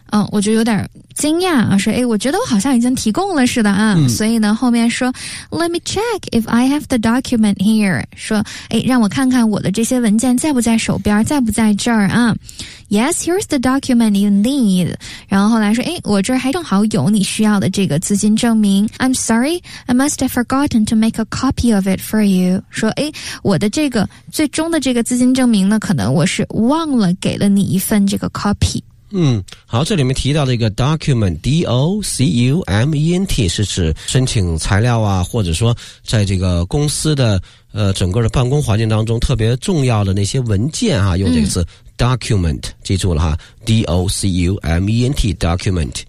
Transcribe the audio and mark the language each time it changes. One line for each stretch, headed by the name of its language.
Chinese: 我就有点惊讶啊，说我觉得我好像已经提供了似的啊。所以呢后面说
English: Let me check if I have the document here，
Chinese: 说让我看看我的这些文件在不在手边，在不在这儿啊。
English: Yes, here's the document you need.
Chinese: 然后后来说我这还正好有你需要的这个资金证明。
English: I'm sorry, I must have forgotten to make a copy of it for you.
Chinese: 说我的这个最终的这个资金证明呢，可能我是忘了给了你一份这个 copy。好，这里面提到的一个 document D-O-C-U-M-E-N-T 是指申请材料啊，或者说在这个公司的整个的办公环境当中特别重要的那些文件啊，用这个词 document 记住了哈， D-O-C-U-M-E-N-T document。